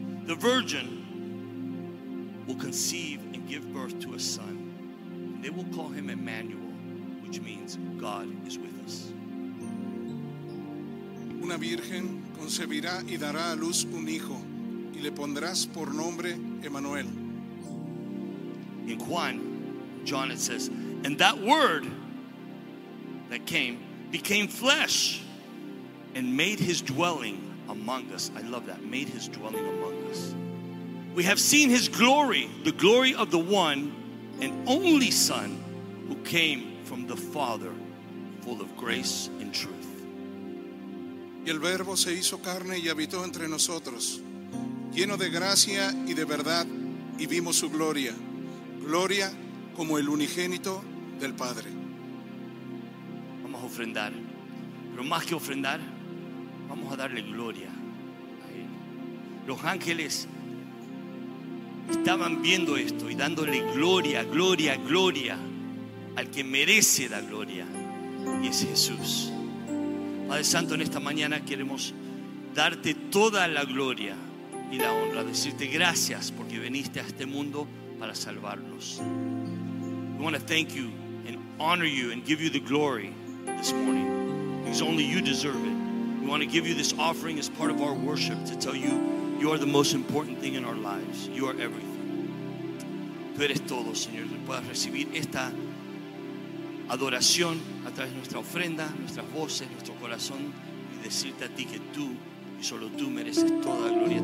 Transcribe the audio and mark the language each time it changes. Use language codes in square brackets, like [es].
[en] The virgin will conceive and give birth to a son. They will call him Emmanuel, which means God is with us. [es] Una virgen concebirá y dará a luz un hijo, y le pondrás por nombre Emmanuel. En Juan, [en] John, it says, and that word that came became flesh and made his dwelling among us. I love that. Made his dwelling among us. We have seen his glory, the glory of the one and only Son who came from the Father, full of grace and truth. [es] Y el Verbo se hizo carne y habitó entre nosotros, lleno de gracia y de verdad, y vimos su gloria, gloria como el unigénito del Padre. Vamos a ofrendar, pero más que ofrendar, vamos a darle gloria a Él. Los ángeles estaban viendo esto y dándole gloria, gloria, gloria al que merece la gloria, y es Jesús. Padre Santo, en esta mañana queremos darte toda la gloria y la honra, decirte gracias porque viniste a este mundo para salvarnos. [en] We want to thank you and honor you and give you the glory this morning, because only you deserve it. We want to give you this offering as part of our worship to tell you you are the most important thing in our lives. You are everything. [es] Tú eres todo, Señor. Que puedas recibir esta adoración a través de nuestra ofrenda, nuestras voces, nuestro corazón, y decirte a ti que tú y solo tú mereces toda gloria.